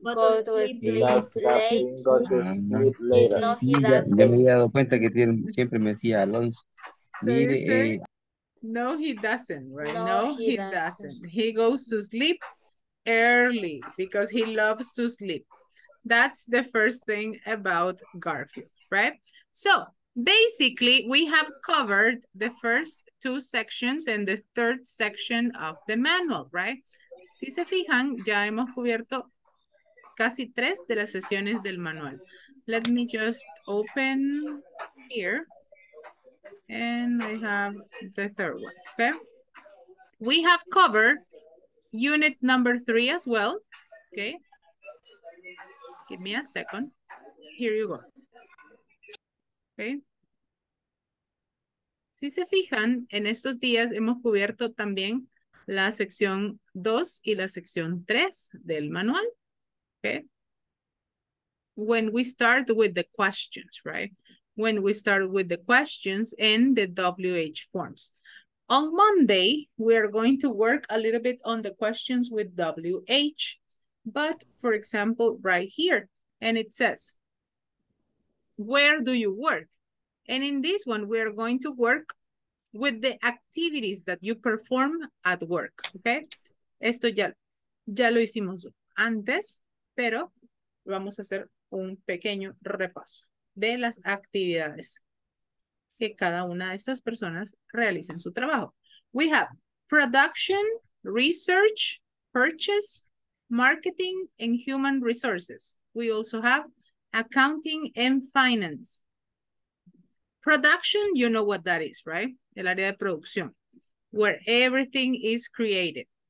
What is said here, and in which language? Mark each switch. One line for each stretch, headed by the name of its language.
English: got to sleep.
Spanish: Ya me he dado cuenta que tiene, siempre me decía Alonso.
English: Mire, so no, he doesn't, right? No, he doesn't. He goes to sleep early because he loves to sleep. That's the first thing about Garfield, right? So basically, we have covered the first two sections and the third section of the manual, right?
Spanish: Si se fijan, ya hemos cubierto casi tres de las sesiones del manual.
English: Let me just open here. And I have the third one, okay? We have covered unit number three as well, okay? Give me a second. Here you go, okay?
Spanish: Si se fijan, en estos días hemos cubierto también la sección 2 y la sección 3 del manual, okay?
English: When we start with the questions, right? When we start with the questions and the WH forms. On Monday, we are going to work a little bit on the questions with WH. But for example, right here, and it says, where do you work? And in this one, we are going to work with the activities that you perform at work, okay?
Spanish: Esto ya lo hicimos antes, pero vamos a hacer un pequeño repaso de las actividades que cada una de estas personas realiza en su trabajo.
English: We have production, research, purchase, marketing, and human resources. We also have accounting and finance. Production, you know what that is, right?
Spanish: El área de producción,
English: where everything is created.